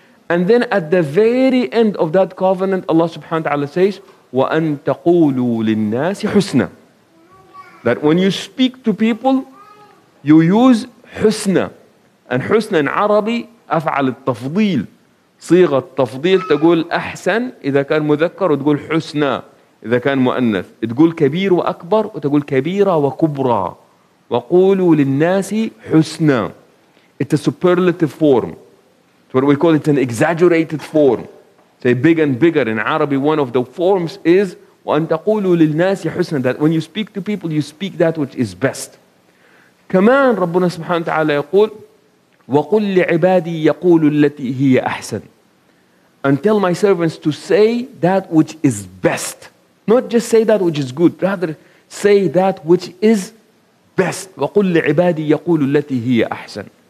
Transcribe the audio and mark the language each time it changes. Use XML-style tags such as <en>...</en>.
<en>And then at the very end of that covenant, Allah subhanahu wa ta'ala says,</en> <ar>وَأَن تَقُولُوا لِلنَّاسِ حُسْنًا,</ar> <en>that when you speak to people, you use husna. And husna in Arabi,</en> <ar>أفعل التفضيل. صيغة التفضيل تقول أحسن إذا كان مذكر وتقول حسنا إذا كان مؤنث. تقول كبير وأكبر وتقول كبيرة وكبرى. وقولوا للناس حسنا.</ar> <en>It's a superlative form. It's what we call it, an exaggerated form. Say big and bigger. In Arabi, one of the forms is</en> <ar>وأن تقولوا للناس حسنا,</ar> <en>that when you speak to people, you speak that which is best.</en> <ar>كمان ربنا سبحانه وتعالى يقول وقل لعبادي يقولوا التي هي أحسن,</ar> <en>and tell my servants to say that which is best. Not just say that which is good, rather say that which is best.</en> <ar>وقل لعبادي يقولوا التي هي أحسن.</ar>